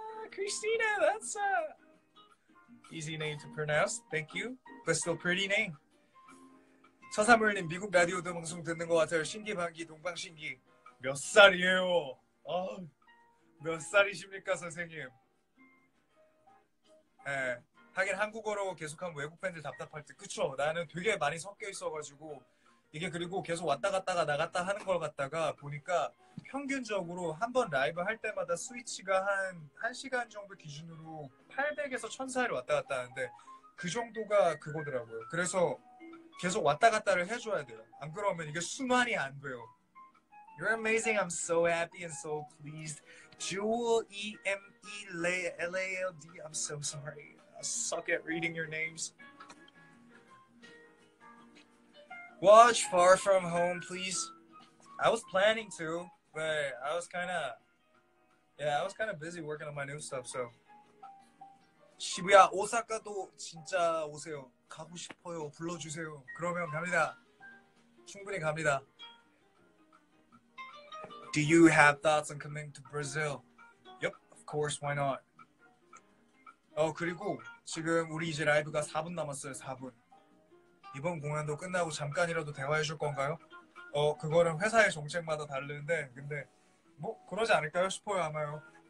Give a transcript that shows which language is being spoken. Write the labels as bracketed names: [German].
[English] Christina, that's a easy name to pronounce. Thank you. But still pretty name. [Korean] 서사물님 미국 라디오도 방송 듣는 것 같아요. 신기 반기 동방 신기. 몇 살이에요? 아, 몇 살이십니까 선생님? 예, 하긴 한국어로 계속하면 외국 팬들 답답할 듯. 그쵸? 나는 되게 많이 섞여 있어가지고 이게 그리고 계속 왔다 갔다가 나갔다 하는 걸 갖다가 보니까 평균적으로 한번 라이브 할 때마다 스위치가 한 1시간 정도 기준으로 800에서 1000 사이로 왔다 갔다 하는데 그 정도가 그거더라고요. 그래서 계속 왔다 갔다를 해줘야 돼요. 안 그러면 이게 순환이 안 돼요. [English] You're amazing. I'm so happy and so pleased. Jewel E-M-E L-A-L-D. I'm so sorry. I suck at reading your names. Watch Far From Home, please. I was planning to, but I was kind of... Yeah, I was kind of busy working on my new stuff, so... [Korean] 시부야, 오사카도 진짜 오세요. 가고 싶어요. 불러주세요. 그러면 갑니다. 충분히 갑니다. [English] Do you have thoughts on coming to Brazil? Yep, of course, why not? [Korean] 그리고 지금 우리 이제 라이브가 4분 남았어요, 4분. 이번 공연도 끝나고 잠깐이라도 대화해 줄 건가요? 그거는 회사의 정책마다 다른데 근데 뭐 그러지 않을까요 싶어요 아마요.